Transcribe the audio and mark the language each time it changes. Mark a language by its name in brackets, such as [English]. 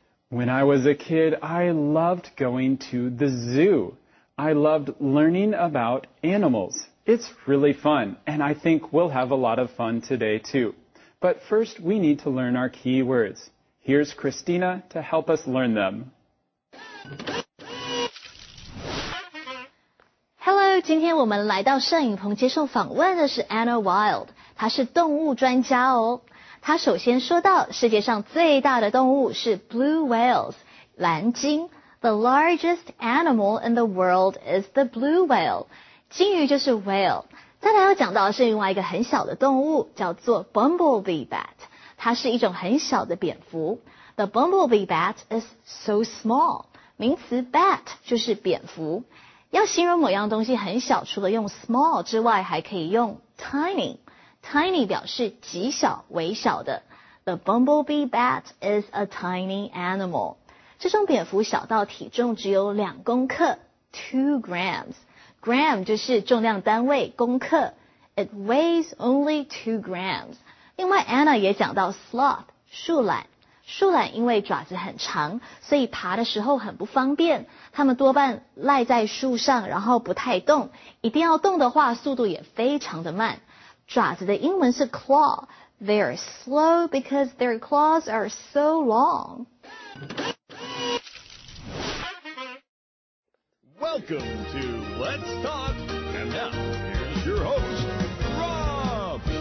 [English] When I was a kid, I loved going to the zoo. I loved learning about animals. It's really fun, and I think we'll have a lot of fun today, too. But first, we need to learn our key words. Here's Christina to help us learn them. [Chinese] Hello, 今天我们来到摄影棚接受访问的是 Anna Wild， 她是动物专家哦。她首先说到世界上最大的动物是 blue whales， 蓝鲸。 [English] The largest animal in the world is the blue whale， [Chinese] 鲸鱼就是 [English] whale。 [Chinese] 再来要讲到是另外一个很小的动物，叫做 bumblebee bat， 它是一种很小的蝙蝠。 [English] The bumblebee bat is so small， [Chinese] 名词 bat 就是蝙蝠。要形容某样东西很小，除了用 small 之外，还可以用 tiny。 Tiny 表示极小、微小的。 [English] The bumblebee bat is a tiny animal。 [Chinese] 这种蝙蝠小到体重只有2公克 (2 grams). [English] Gram [Chinese] 就是重量单位，公克。 [English] It weighs only 2 grams。 [Chinese] 另外 ，Anna 也讲到 sloth 树懒。树懒因为爪子很长，所以爬的时候很不方便。它们多半赖在树上，然后不太动。一定要动的话，速度也非常的慢。爪子的英文是 claw。 [English] They are slow because their claws are so long. Welcome to Let's Talk. And now, here's your host, Rob.